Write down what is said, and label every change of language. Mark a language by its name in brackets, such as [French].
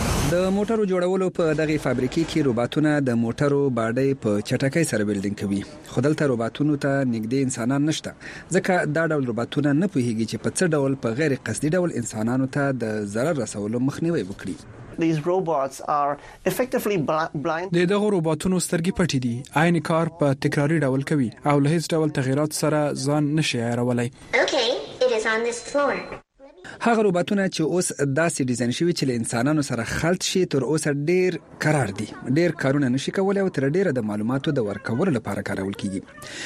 [Pashto] د موټرو جوړولو په دغه فابریکې کې روباتونه د موټرو باډې په چټکۍ سره بیلډینګ کوي. خودلته روباتونو ته نږدې انسانان نشته، ځکه دا ډول روباتونه نه پوهیږي چې په څه ډول په غیر قصدي ډول انسانانو ته د ضرر رسولو مخنیوي وکړي. [English] These robots are effectively blind. [Pashto] د دغه روباتونو سترګې پټې دي، عین کار په تکراری ډول کوي او له هیڅ ډول تغیرات سره ځان نشي عیارولای. [English] Okay, it is on this floor. [Pashto] هغه روباتونه چې اوس داسې ډیزاین شوی چې له انسانانو سره خلط شي تر اوسه ډیر قرار دی، ډیر کارونه نشي کولای او تر ډیره د معلوماتو د ورکولو لپاره کارول کیږي.